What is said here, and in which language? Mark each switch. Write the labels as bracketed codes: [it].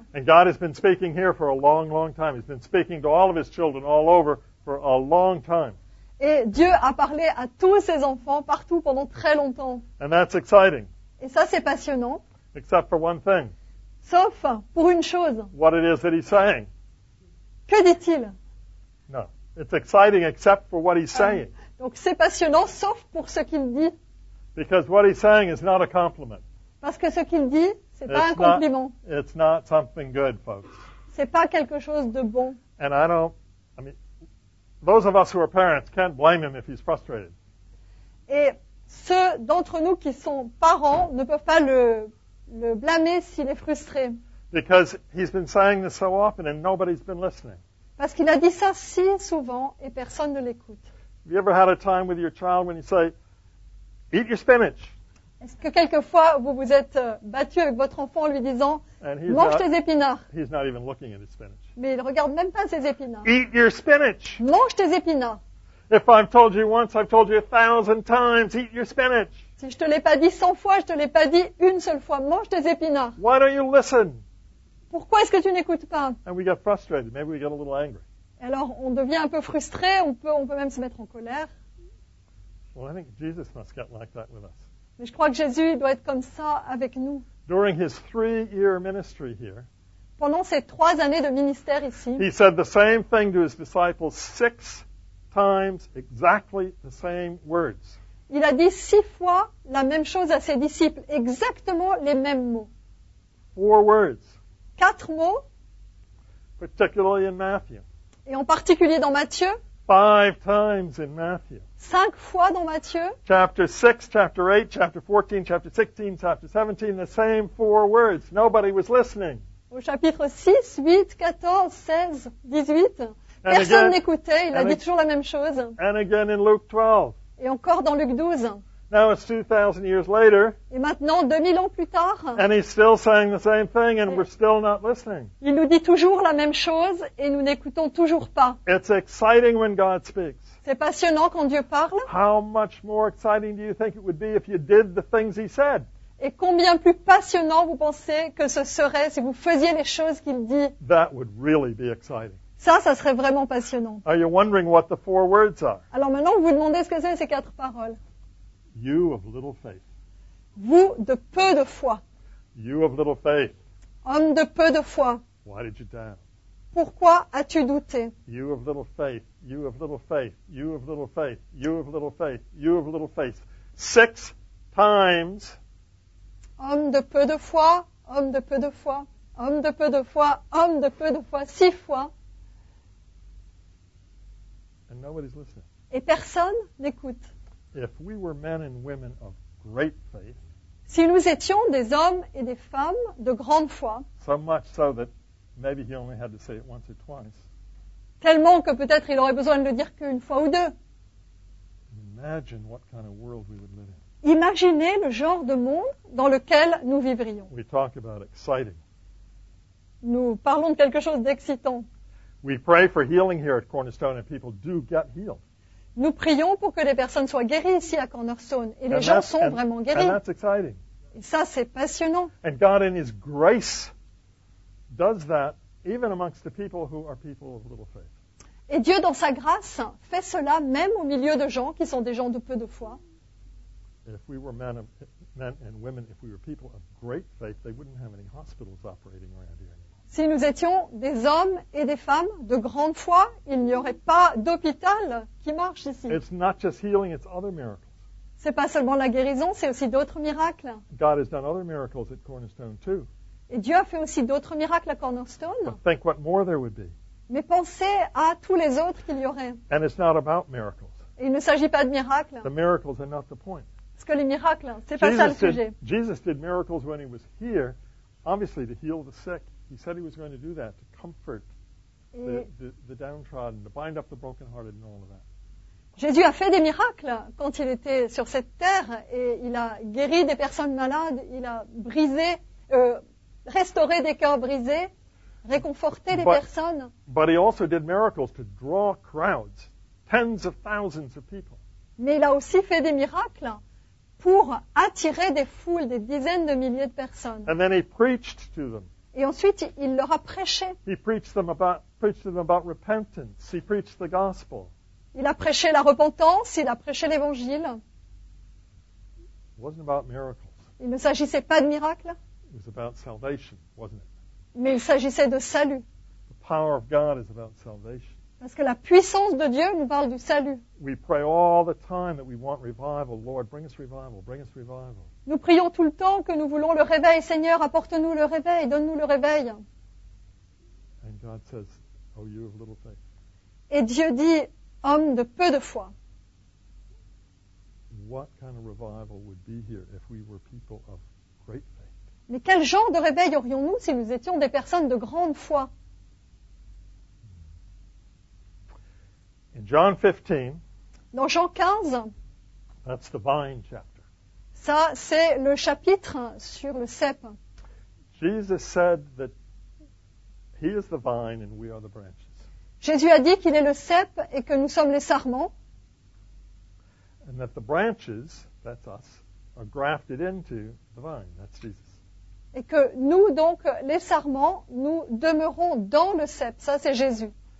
[en] And God has been speaking here for a long, long time. He's been speaking to all of His children all over for a long time. [fr] Et Dieu a parlé à tous ses enfants partout pendant très longtemps. [en] And that's exciting. [fr] Et ça, c'est passionnant. [en] Except for one thing. [fr] Sauf pour une chose. [en] What it is that he's saying. [fr] Que dit-il? [en] No. It's exciting except for what he's saying. [fr] Donc c'est passionnant sauf pour ce qu'il dit. [en] Because what he's saying is not a compliment. [fr] Parce que ce qu'il dit, c'est pas un compliment. [en] It's not something good, folks. [fr] C'est pas quelque chose de bon. [en] And I don't, I mean, those of us who are parents can't blame him if he's frustrated. [fr] Et ceux d'entre nous qui sont parents ne peuvent pas le blâmer s'il est frustré. [en] Because he's been saying this so often and nobody's been listening. [fr] Parce qu'il a dit ça si souvent et personne ne l'écoute. [en] Have you ever had a time with your child when you say, eat your spinach? [fr] Est-ce que quelquefois vous vous êtes battu avec votre enfant en lui disant, mange tes épinards? [en] He's not even looking at his spinach. [fr] Mais il ne regarde même pas ses épinards. [en] Eat your spinach. [fr] Mange tes épinards. [en] If I've told you once, I've told you 1,000 times, eat your spinach. [fr] Si je ne te l'ai pas dit 100 fois, je ne te l'ai pas dit une seule fois. Mange tes épinards. [en] Why don't you listen? [fr] Pourquoi est-ce que tu n'écoutes pas? [en] And we get frustrated. Maybe we get a little angry. [fr] Alors, on devient un peu frustré. On peut même se mettre en colère. [en] Well, I think Jesus must get like that with us. [fr] Mais je crois que Jésus doit être comme ça avec nous. [en] During his 3-year ministry here, [fr] pendant ses 3 années de ministère ici, [en] he said the same thing to his disciples 6 times, exactly the same words. [fr] Il a dit 6 fois la même chose à ses disciples, exactement les mêmes mots. [en] 4 words. [fr] 4 mots. [en] Particularly in Matthew. [fr] Et en particulier dans Matthieu. [en] 5 times in Matthew. [fr] 5 fois dans Matthieu. [en] Chapter 6, chapter 8, chapter 14, chapter 16, chapter 17, the same 4 words. Nobody was listening. [fr] Au chapitre 6, 8, 14, 16, 18, [en] and [fr] personne [en] again, [fr] n'écoutait, il a dit toujours la même chose. [en] And again in Luke 12. [fr] Et encore dans Luc 12. [en] Now it's 2000 years later. [fr] Et maintenant 2000 ans plus tard. [en] And he's still saying the same thing and we're still not listening. [fr] Il nous dit toujours la même chose et nous n'écoutons toujours pas. [en] It's exciting when God speaks. [fr] C'est passionnant quand Dieu parle. [en] How much more exciting do you think it would be if you did the things he said? [fr] Et combien plus passionnant vous pensez que ce serait si vous faisiez les choses qu'il dit? [en] That would really be exciting. [fr] Ça serait vraiment passionnant. [en] Are you wondering what the 4 words are? [fr] Alors maintenant vous vous demandez ce que c'est ces 4 paroles. [en] You of little faith. [fr] Vous de peu de foi. [en] You of little faith. [fr] Homme de peu de foi. [en] Why did you doubt? [fr] Pourquoi as-tu douté? [en] You of little faith. You of little faith. You of little faith. You of little faith. You of little faith. 6 times. [fr] Homme de peu de foi. Homme de peu de foi. Homme de peu de foi. Homme de peu de foi. 6 fois. [en] And nobody's listening. [fr] Et personne n'écoute. [en] If we were men and women of great faith, [fr] si nous étions des hommes et des femmes de grande foi, [en] so much so that maybe he only had to say it once or twice, [fr] tellement que peut-être il aurait besoin de le dire qu'une fois ou deux. [en] Imagine what kind of world we would live in. [fr] Imaginez le genre de monde dans lequel nous vivrions. [en] We talk about exciting. [fr] Nous parlons de quelque chose d'excitant. [en] We pray for healing here at Cornerstone and people do get healed. [fr] Nous prions pour que les personnes soient guéries ici à Cornerstone. Et les gens sont vraiment guéris. [en] And that's [fr] et ça, c'est passionnant. [en] And God in His grace does that even amongst the people who are people of little faith. [fr] Et Dieu, dans sa grâce, fait cela même au milieu de gens qui sont des gens de peu de foi. [en] If we were men and women, if we were people of great faith, they wouldn't have any hospitals operating around here. [fr] Si nous étions des hommes et des femmes de grande foi, il n'y aurait pas d'hôpital qui marche ici. [en] It's not just healing, it's other miracles. [fr] C'est pas seulement la guérison, c'est aussi d'autres miracles. [en] God has done other miracles at Cornerstone too. [fr] Et Dieu a fait aussi d'autres miracles à Cornerstone. [en] But think what more there would be. [fr] Mais pensez à tous les autres qu'il y aurait. [en] And it's not about miracles. [fr] Et il ne s'agit pas de miracles. [en] The miracles are not the point. [fr] Parce que les miracles, c'est pas ça le sujet. [en] Jesus did miracles when he was here, obviously to heal the sick. He said he was going to do that to comfort the downtrodden, to bind up the brokenhearted and all of that. [fr] Jésus a fait des miracles quand il était sur cette terre et il a guéri des personnes malades, il a brisé, restauré des cœurs brisés, réconforté des personnes. [en] But he also did miracles to draw crowds, tens of thousands of people. [fr] Mais il a aussi fait des miracles pour attirer des foules, des dizaines de milliers de personnes. [en] And then he preached to them. [fr] Et ensuite, il leur a prêché. [en] He preached them about, repentance. He preached the gospel. [fr] Il a prêché la repentance, il a prêché l'évangile. [en] It wasn't about miracles. [fr] Il ne s'agissait pas de miracles. [en] It was about salvation, wasn't it? [fr] Mais il s'agissait de salut. [en] The power of God is about salvation. [fr] Parce que la puissance de Dieu nous parle du salut. [en] We pray all the time that we want revival. Lord, bring us revival, bring us revival. [fr] Nous prions tout le temps que nous voulons le réveil. Seigneur, apporte-nous le réveil, donne-nous le réveil. [en] And God says, oh, you have little faith. [fr] Et Dieu dit, homme de peu de foi. [en] What kind of revival would be here if we were people of great faith? [fr] Mais quel genre de réveil aurions-nous si nous étions des personnes de grande foi? [en] In John 15, [fr] dans Jean 15, [en] that's the vine chapter. [fr] Ça, c'est le chapitre sur le cep. [en] Jesus said that he is the vine and we are the branches. [fr] Jésus a dit qu'il est le cep et que nous sommes les sarments. [en] And that the branches, that's us, are grafted into the vine, that's Jesus. [fr] Et que nous, donc, les sarments, nous demeurons dans le cep, ça c'est Jésus.